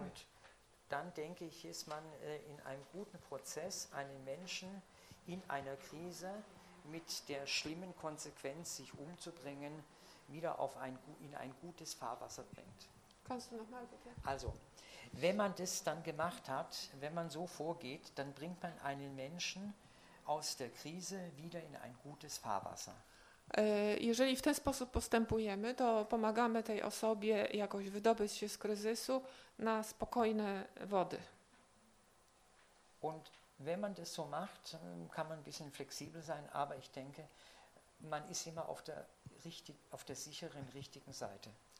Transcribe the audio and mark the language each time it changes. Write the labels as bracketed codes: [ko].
[de] Und dann denke ich, ist man in einem guten Prozess, einen Menschen in einer Krise mit der schlimmen Konsequenz, sich umzubringen, wieder auf in ein gutes Fahrwasser bringt. Kannst du nochmal bitte? Also, wenn man das dann gemacht hat, wenn man so vorgeht, dann bringt man einen Menschen aus der Krise wieder in ein gutes Fahrwasser. [pl] Jeżeli w ten sposób postępujemy, to pomagamy tej osobie jakoś wydobyć się z kryzysu na spokojne wody. [de] Und wenn man das so macht, kann man ein bisschen flexibel sein, aber ich denke, man ist immer auf der sicheren, richtigen Seite.